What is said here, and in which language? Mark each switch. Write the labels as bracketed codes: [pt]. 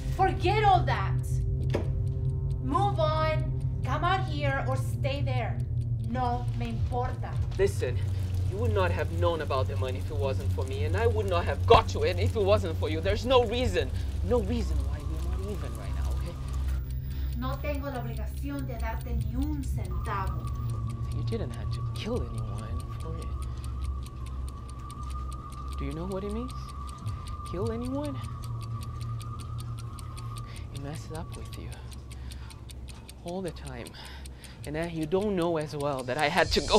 [en] For Forget all that. Move on. Come out here or stay there. [es] No me importa. [en] Listen, you would not have known about the money if it wasn't for me, and I would not have got you in if it wasn't for you. There's no reason. No reason why we're not even right now, okay? [es] No tengo la obligación de darte ni un centavo. [en] You didn't have to kill anyone for it. Do you know what it means? Kill anyone? It messes up with you. All the time. And then you don't know as well that I had to go.